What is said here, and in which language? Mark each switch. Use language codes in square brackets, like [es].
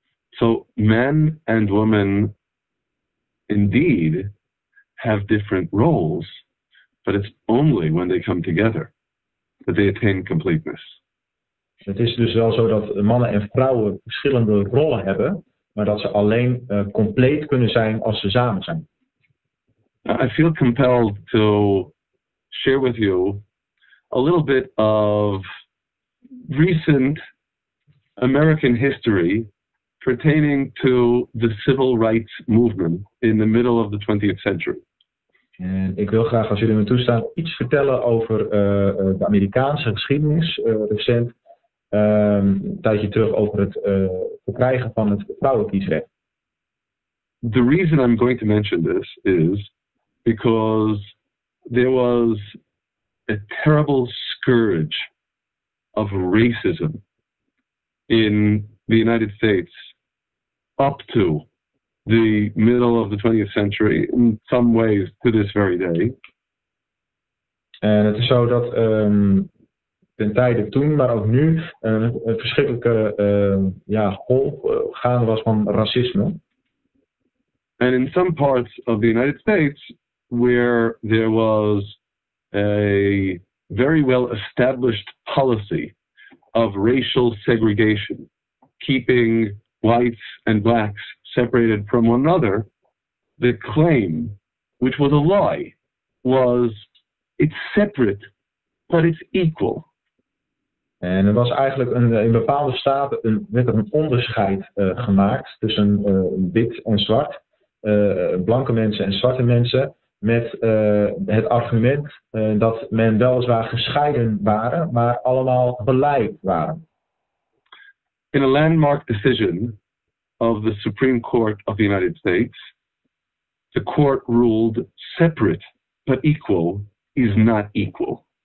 [en] So men and women indeed have different roles, but it's only when they come together that they attain completeness. [nl] Het is dus wel zo dat mannen en vrouwen verschillende rollen hebben, maar dat ze alleen compleet kunnen zijn als ze samen zijn. [en] I feel compelled to share with you a little bit of recent American history pertaining to the civil rights movement in the middle of the 20th century. [nl] En ik wil graag, als jullie me toestaan, iets vertellen over de Amerikaanse geschiedenis, recent, een tijdje terug over het verkrijgen van het vrouwenkiesrecht. [en] The reason I'm going to mention this is because there was a terrible scourge of racism in the United States up to the middle of the 20th century, in some ways to this very day. [nl] En het is zo dat ten tijde toen, maar ook nu, een verschrikkelijke golf gaande was van racisme. [en] And in some parts of the United States, where there was a very well established policy of racial segregation, keeping whites and blacks separated from one another, the claim, which was a lie, was it's separate, but it's equal. [nl] En er was eigenlijk in bepaalde staten een onderscheid gemaakt tussen wit en zwart, blanke mensen en zwarte mensen, met het argument dat men weliswaar gescheiden waren, maar allemaal gelijk waren. [en] In a landmark decision of the Supreme Court of the United States, the court ruled separate but equal is not equal.